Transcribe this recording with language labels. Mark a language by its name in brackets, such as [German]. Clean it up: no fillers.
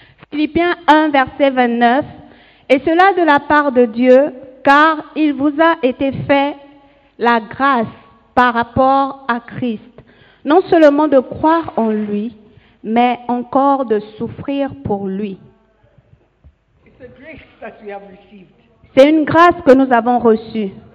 [French] Philippiens 1, verset 29, et cela de la part de Dieu, car il vous a été fait la grâce par rapport à Christ, non seulement de croire en lui, mais encore de souffrir pour lui. [English] It's a grace that we have received. [French] C'est une grâce que nous avons reçue.